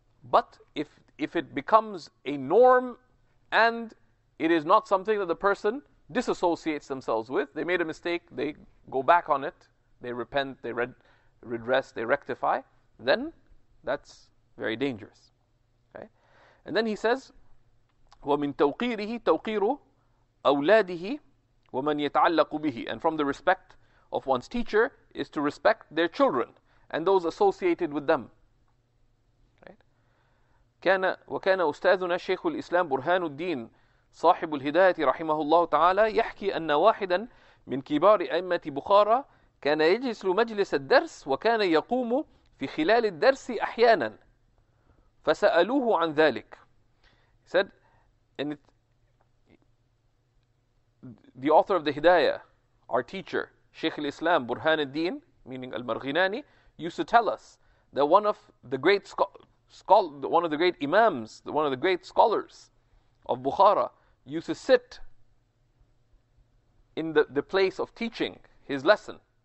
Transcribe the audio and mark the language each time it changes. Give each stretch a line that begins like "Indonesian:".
English: But if it becomes a norm and it is not something that the person disassociates themselves with, they made a mistake, they go back on it, they repent, they redress, they rectify, then that's very dangerous. Okay? And then he says,
Arabic: وَمِن تَوْقِيرِهِ تَوْقِيرُ أَوْلَادِهِ وَمَن يَتَعَلَّقُ بِهِ.
English: And from the respect of one's teacher is to respect their children and those associated with them.
Arabic: كان وكان أستاذنا شيخ الإسلام برهان الدين صاحب الهداية رحمه الله تعالى يحكي أن واحدا من كبار أئمة بخارى كان يجلس مجلس الدرس وكان يقوم في خلال الدرس أحيانا فسألوه عن ذلك.
English: He said, and it, the author of the Hidayah, our teacher, Shaykh al-Islam, Burhan al-Din, meaning al-Marghinani, used to tell us that one of the great one of the great imams, one of the great scholars of Bukhara, used to sit in the place of teaching his lesson.